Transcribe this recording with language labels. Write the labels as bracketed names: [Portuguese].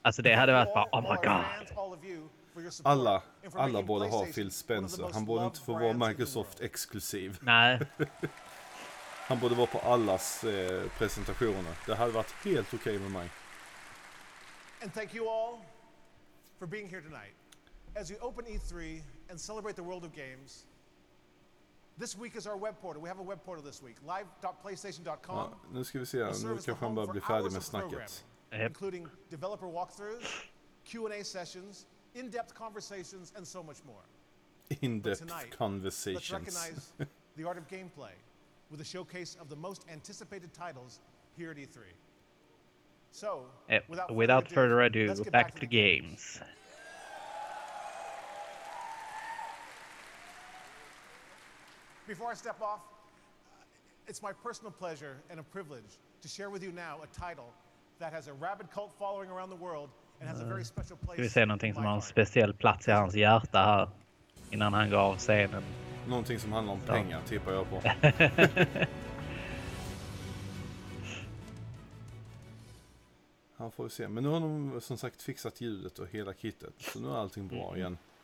[Swedish] Alltså det hade varit bara, [English] oh my god. [Swedish] Alla borde ha Phil Spencer. Han borde inte få vara Microsoft exklusiv. Nej. Han borde vara på allas presentationer. Det hade varit helt okej med mig. [English] And thank you all for being here tonight. as we open E3 and celebrate the world of games, this week is our web portal. We have a web portal this week. live.playstation.com. [Swedish] Ja, nu ska vi se. Nu kanske han bara blir färdig med snacket. [English] Including developer walkthroughs, Q&A sessions, in-depth conversations, and so much more. In-depth conversations. Let's recognize the art of gameplay with a showcase of the most anticipated titles here at E3. So, without further ado, back to the games. Before I step off, it's my personal pleasure and a privilege to share with you now a title that has a rabid cult following around the world and has a very special place. [Swedish] Vi ser någonting som har en speciell plats i hans hjärta här innan han går av scenen. Någonting som handlar om pengar, tippar jag på. Han får vi se, men nu har de som sagt fixat ljudet och hela kittet, så nu är allting bra igen.